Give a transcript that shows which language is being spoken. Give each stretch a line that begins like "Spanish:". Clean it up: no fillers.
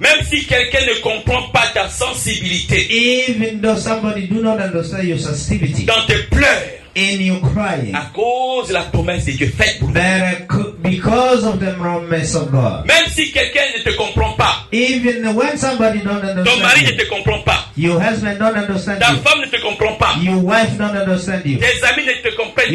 French: Même si quelqu'un ne comprend pas ta sensibilité.
English: Even though somebody do not understand your sensitivity.
French: Dans tes pleurs.
English: In your crying.
French: À cause de la promesse de Dieu faite pour
English: there, because of the promise of God.
French: Même si quelqu'un ne te comprend pas.
English: Even when somebody don't understand.
French: Ton mari ne te comprend pas.
English: Your husband don't understand.
French: Ta femme ne te comprend pas.
English: Your wife don't understand you.
French: Tes amis ne te comprennent